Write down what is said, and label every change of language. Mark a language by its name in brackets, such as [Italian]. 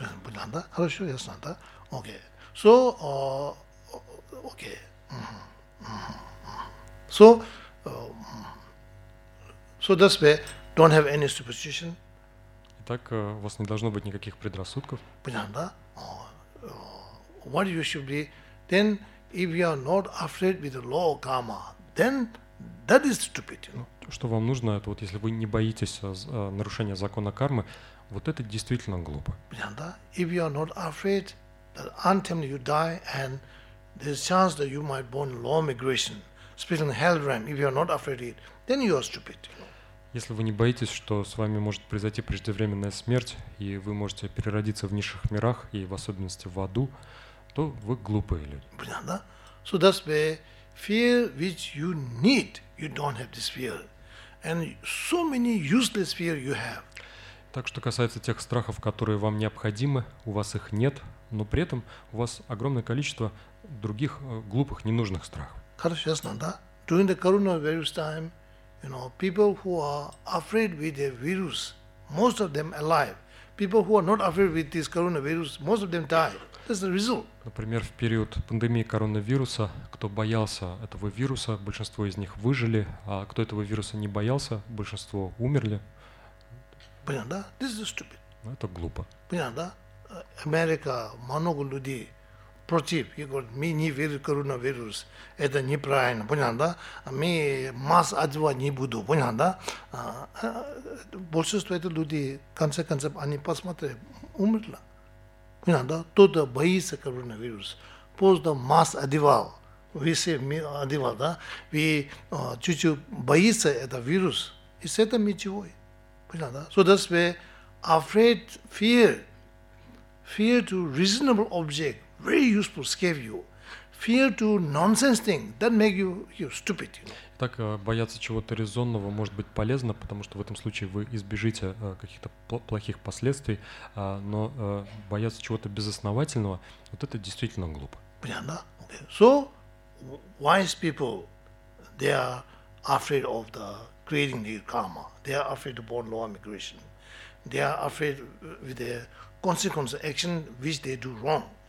[Russian] Понятно, да? Хорошо, ясно, да? Окей, so, окей. [English] So that's why don't have any superstition. [Russian] Итак, у вас не должно быть никаких предрассудков. Понятно, да? [English] What you should be... Then, if you are not afraid with the law of karma, then that is stupid. You know? [Russian] Что вам нужно, это вот если вы не боитесь нарушения закона кармы, вот это действительно глупо. Понятно, да? [English] If you are not afraid that untimely you die and there's chance that you might born low migration, especially in hell realm, if you are not afraid of it, then you are stupid. You know? [Russian] Если вы не боитесь, что с вами может произойти преждевременная смерть, и вы можете переродиться в низших мирах, и в особенности в аду, то вы глупые люди. Понятно, да? [English] So that's why fear which you need, you don't have this fear. And so many useless fear you have. [Russian] Так что касается тех страхов, которые вам необходимы, у вас их нет, но при этом у вас огромное количество других глупых, ненужных страхов. Хорошо, ясно, да? [English] During the coronavirus time, You know, people who are afraid with a virus, most of them alive. People who are not afraid with this coronavirus, most of them die. That's the result. [Russian] Например, в период пандемии коронавируса, кто боялся этого вируса, большинство из них выжили, а кто этого вируса не боялся, большинство умерли. Понятно, да? [English] This is stupid. [Russian] Это глупо. Понятно, да? Америка, много людей против. И говорят, мы не верим в коронавирус. Это неправильно. Понятно, да? Мы масс одевать не буду. Понятно, да? Большинство этих людей, в конце концов, они посмотрели, умерли. Понятно, да? Кто-то боится коронавируса. Поздно масс одевал. Вы все одевали, да? Вы чуть-чуть боится этот вирус. И с этим ничего. Понятно, да? [English] So that's where afraid, fear. Fear to reasonable object, very useful, scare you. Fear to nonsense thing, that make you stupid. You know? [Russian] Так, бояться чего-то резонного может быть полезно, потому что в этом случае вы избежите каких-то плохих последствий, но бояться чего-то безосновательного, вот это действительно глупо. Понятно? Okay. [English] So, wise people, they are afraid of the creating the karma. They are afraid of born law immigration. They are afraid with their consequence action which they do wrong.